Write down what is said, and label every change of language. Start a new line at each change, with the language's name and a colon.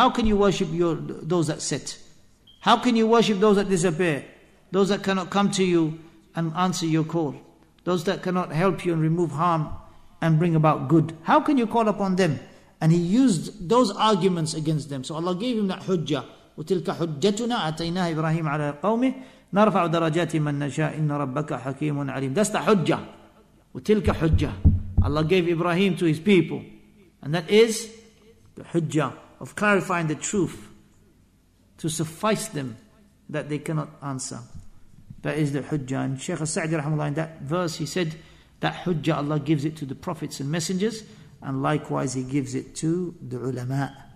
English: How can you worship those that set? How can you worship those that disappear? Those that cannot come to you and answer your call. Those that cannot help you and remove harm and bring about good. How can you call upon them? And he used those arguments against them. So Allah gave him that hujjah.
Arabic: وَتِلْكَ حُجَّتُنَا أَتَيْنَاهَا إِبْرَاهِيمَ عَلَى قَوْمِهِ نَرْفَعُ دَرَجَاتِ مَنْ نَشَاءِ إِنَّ رَبَّكَ حَكِيمٌ عَلِيمٌ
English: That's the hujjah.
Arabic: وَتِلْكَ حُجَّةٌ
English: Allah gave Ibrahim to his people. And that is the hujjah of clarifying the truth to suffice them that they cannot answer. That is the hujjah. And Shaykh al-Sa'di rahimahullah, in that verse he said that hujjah Allah gives it to the prophets and messengers, and likewise he gives it to the ulama.